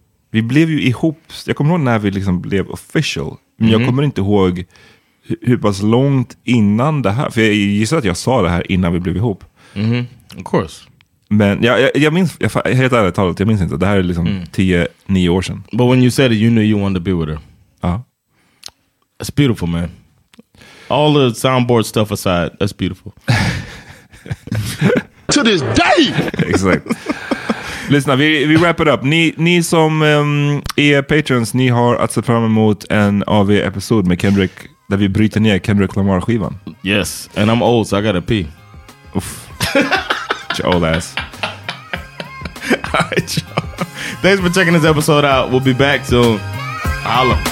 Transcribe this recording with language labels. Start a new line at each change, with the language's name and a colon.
Swedish: Vi blev ju ihop, jag kommer ihåg när vi liksom blev official, men jag kommer inte ihåg hur pass långt innan det här, för jag gissar att jag sa det här innan vi blev ihop.
English: Mm-hmm. Of course.
Swedish: Men jag minns, helt ärligt talat, jag minns inte, det här är liksom 10-9 år sedan.
English: But when you said it, you knew you wanted to be with her.
Swedish: Ja.
English: That's beautiful, man. All the soundboard stuff aside, that's beautiful. To this day!
Swedish: Exakt. Lyssna, vi
English: wrap it up.
Swedish: Ni som är patrons, ni har att se fram emot en AV-episod med Kendrick där vi bryter ner Kendrick Lamar-skivan.
English: Yes, and I'm old, so I gotta pee. Oof. Your old ass. All right, y'all. Thanks for checking this episode out. We'll be back soon. Holla.